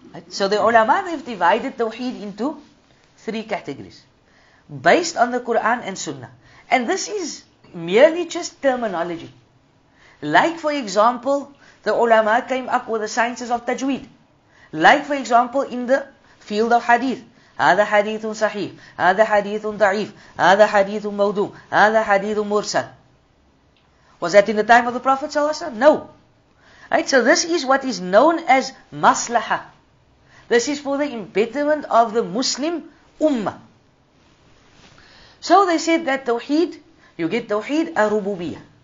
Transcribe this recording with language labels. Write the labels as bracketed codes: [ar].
[en] So the ulama have divided Tawheed into three categories, based on the Quran and Sunnah. And this is merely just terminology. Like for example, the ulama came up with the sciences of tajweed. Like for example, in the field of hadith, [ar] هذا حديث صحيح، هذا حديث ضعيف، هذا حديث موضوم، هذا حديث مرسل. [en] Was that in the time of the Prophet ﷺ? No. Right, so this is what is known as maslaha. This is for the embitterment of the Muslim ummah. So they said that tawheed, you get tawheed ar-rububiyyah.